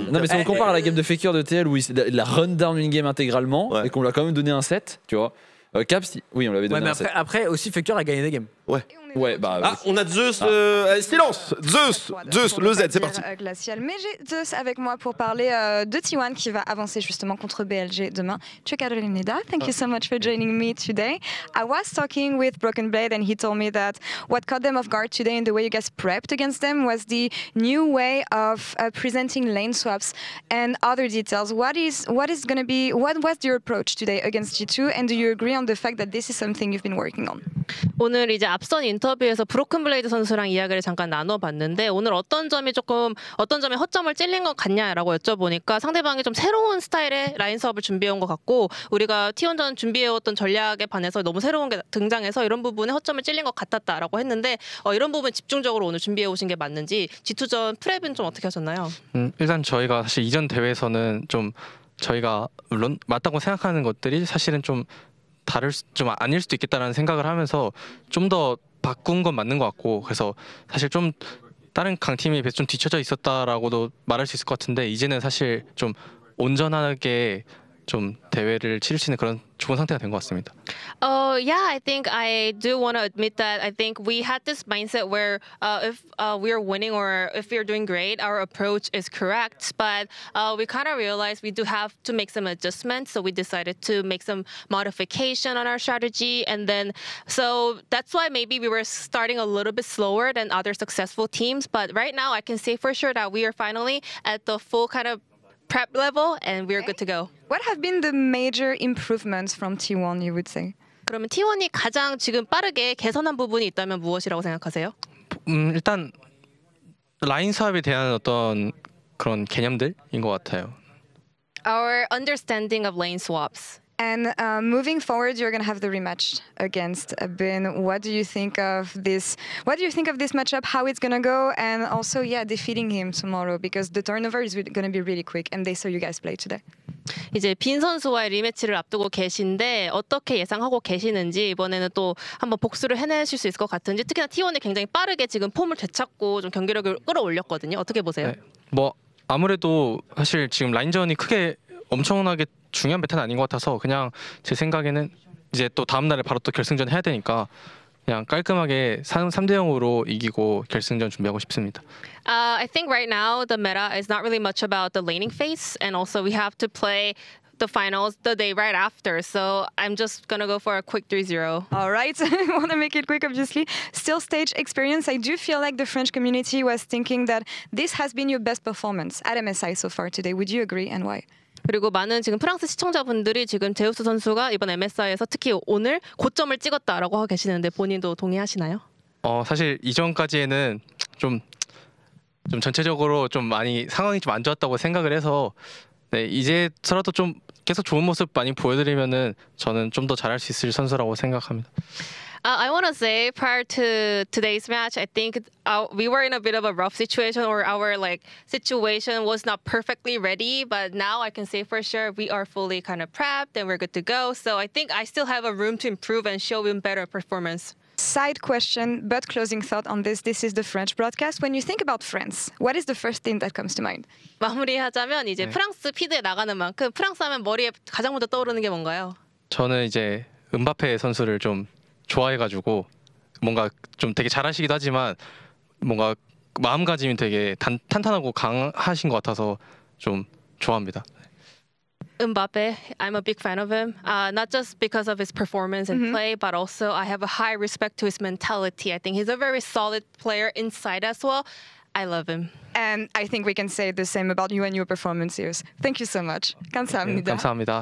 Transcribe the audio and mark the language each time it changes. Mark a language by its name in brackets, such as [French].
[French] Non, mais si on compare à la game de Faker de TL où il a run down une game intégralement et qu'on lui a quand même donné un set, tu vois. Caps, oui, on l'avait donné un set. Après aussi, Faker a gagné des games. Ouais. Ouais, bah. Ah, on a Zeus. Ah. Silence. Zeus. Zeus, le Z, c'est parti. Glacial. Mais j'ai Zeus avec moi pour parler de T1 qui va avancer justement contre BLG demain. [English] Chukaru Lineda, thank you so much for joining me today. I was talking with Broken Blade and he told me that what caught them off guard today in the way you guys prepped against them was the new way of presenting lane swaps and other details. What is going to be, what was your approach today against G2 and do you agree on the fact that this is something you've been working on? [Korean] 오늘 이제 앞선 인터뷰에서 브로큰 블레이드 선수랑 이야기를 잠깐 나눠봤는데 오늘 어떤 점에 허점을 찔린 것 같냐라고 여쭤보니까 상대방이 좀 새로운 스타일의 라인스업을 준비해온 것 같고 우리가 T1전 준비해왔던 전략에 반해서 너무 새로운 게 등장해서 이런 부분에 허점을 찔린 것 같았다라고 했는데 이런 부분 집중적으로 오늘 준비해오신 게 맞는지 G2전 프랩은 좀 어떻게 하셨나요? 일단 저희가 사실 이전 대회에서는 좀 저희가 물론 맞다고 생각하는 것들이 사실은 좀 좀 아닐 수도 있겠다라는 생각을 하면서 좀 더 바꾼 건 맞는 것 같고 그래서 사실 좀 다른 강팀에 비해서 좀 뒤쳐져 있었다라고도 말할 수 있을 것 같은데 이제는 사실 좀 온전하게 좀 대회를 치를 수 있는 그런 좋은 상태가 된 것 같습니다. [English] Yeah, I think I do want to admit that I think we had this mindset where if we are winning or if we are doing great, our approach is correct. But we kind of realized we do have to make some adjustments. So we decided to make some modification on our strategy. And then, so that's why maybe we were starting a little bit slower than other successful teams. But right now, I can say for sure that we are finally at the full kind of prep level and we're okay. good to go. What have been the major improvements from T1, you would say? [Korean] 그러면 T1이 가장 지금 빠르게 개선한 부분이 있다면 무엇이라고 생각하세요? 일단 라인 스왑에 대한 어떤 그런 개념들인 것 같아요. [English] Our understanding of lane swaps. And moving forward, you're going to have the rematch against Bin. What do you think of this? What do you think of this matchup? How it's going to go? And also, yeah, defeating him tomorrow because the turnover is going to be really quick, and they saw you guys play today. [Korean] 이제 빈 선수와의 리매치를 앞두고 계신데 어떻게 예상하고 계시는지 이번에는 또 한번 복수를 해내실 수 있을 것 같은지 특히나 T1이 굉장히 빠르게 지금 폼을 되찾고 좀 경기력을 끌어올렸거든요. 어떻게 보세요? 네. 뭐 아무래도 사실 지금 라인전이 크게 엄청나게 중요한 배틀은 아닌 것 같아서 그냥 제 생각에는 이제 또 다음날에 바로 또 결승전 해야 되니까 그냥 깔끔하게 3대0으로 이기고 결승전 준비하고 싶습니다. [English] I think right now the meta is not really much about the laning phase and also we have to play the finals the day right after. So I'm just gonna go for a quick 3-0. All right, I want to make it quick, obviously. Still stage experience. I do feel like the French community was thinking that this has been your best performance at MSI so far today. Would you agree and why? [Korean] 그리고 많은 지금 프랑스 시청자분들이 지금 제우스 선수가 이번 MSI에서 특히 오늘 고점을 찍었다라고 하고 계시는데 본인도 동의하시나요? 사실 이전까지에는 좀 전체적으로 좀 많이 상황이 좀 안 좋았다고 생각을 해서 네, 이제서라도 좀 계속 좋은 모습 많이 보여드리면은 저는 좀 더 잘할 수 있을 선수라고 생각합니다. [English] I want to say prior to today's match, I think we were in a bit of a rough situation or our like situation was not perfectly ready. But now I can say for sure we are fully kind of prepped and we're good to go. So I think I still have a room to improve and show even better performance. Side question, but closing thought on this. This is the French broadcast. When you think about France, what is the first thing that comes to mind? [Korean] 마무리하자면 이제 네. 프랑스 피드에 나가는 만큼 프랑스 하면 머리에 가장 먼저 떠오르는 게 뭔가요? 저는 이제 음바페 선수를 좀 좋아해가지고 뭔가 좀 되게 잘하시기도 하지만 뭔가 마음가짐이 되게 탄탄하고 강하신 것 같아서 좀 좋아합니다. [English] Mbappe, I'm a big fan of him. Not just because of his performance and play, but also I have a high respect to his mentality. I think he's a very solid player inside as well. I love him. And I think we can say the same about you and your performances. Thank you so much. [Korean] 감사합니다. 감사합니다.